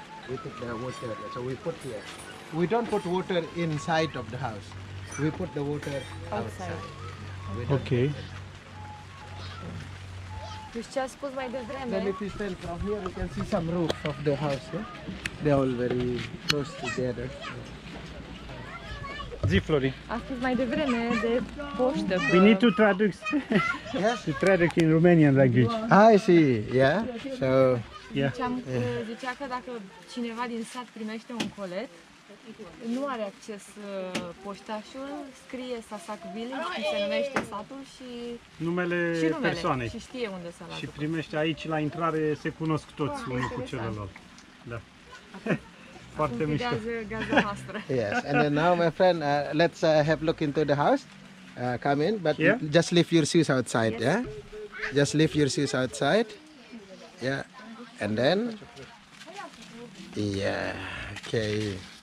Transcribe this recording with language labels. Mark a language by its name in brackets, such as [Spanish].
[English] We put the water there. So we put here. We don't put water inside of the house. We put the water outside. Okay. You just put my devreme. Then if you stand from here, you can see some roof of the house. Yeah? They're all very close together. [Romanian] Zi, Flori. Astăzi mai devreme de poștă. [English] We need to traduce. Yes? To traduce in Romanian language. I see. Yeah? So... Yeah. [Romanian] Zicea că dacă cineva din sat primește un colet, nu are acces poștașul, scrie Sasak Village, cum se numește satul și... Numele persoanei. Și știe unde s-a luat. Și primește aici, la intrare, se cunosc toți unul cu celălalt. Da. Foarte mișto. [English] Yes, and then now, my friend, let's have a look into the house. Come in, but just leave your shoes outside, yeah? Just leave your shoes outside. Yeah, and then... Yeah, okay.